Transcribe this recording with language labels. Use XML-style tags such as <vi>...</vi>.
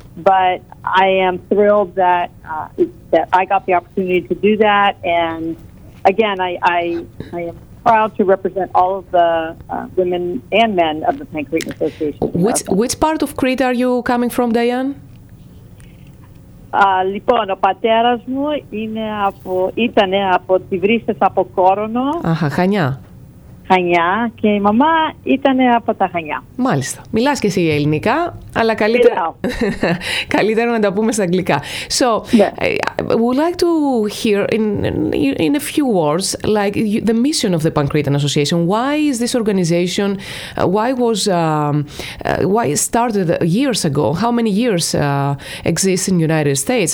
<en>But I am thrilled that that I got the opportunity to do that. And again, I am proud to represent all of the women and men of the Pancreatin Association. Which part of Crete are you coming from, Diane?</en> <el>Λοιπόν, ο πατέρας μου ήταν από τη Βρύσες, από Κόρονο. Αχα, Χανιά. Χανιά, και η μαμά ήταν από τα Χανιά. Μάλιστα. Μιλάς και εσύ ελληνικά, αλλά καλύτερα καλύτερα να τα πούμε στα αγγλικά.</el> <en>So, yeah. I would like to hear in a few words, like the mission of the Pancreatin Association. Why is this organization, why it started years ago? How many years exists in the United States?</en>